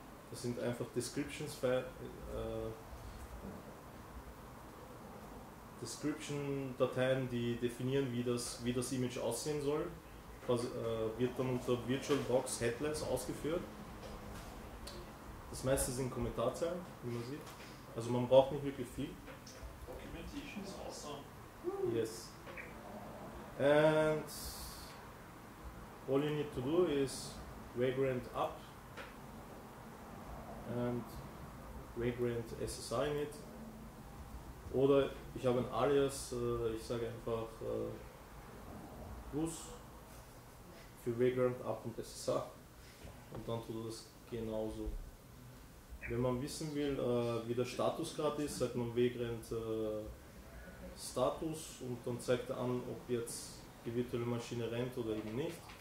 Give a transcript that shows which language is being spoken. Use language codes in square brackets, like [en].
[de] Das sind einfach Description-Dateien, die definieren, wie das Image aussehen soll. Wird dann unter VirtualBox Headless ausgeführt. Das meiste sind Kommentarzeilen, wie man sieht. Also man braucht nicht wirklich viel. [en] Documentation ist awesome. Yes. And all you need to do is Vagrant up and Vagrant SSI init. [de] Oder ich habe ein Alias, ich sage einfach Plus für Vagrant up und SSI und dann tut das genauso. Wenn man wissen will, wie der Status gerade ist, sagt man Vagrant Status und dann zeigt er an, ob jetzt die virtuelle Maschine rennt oder eben nicht.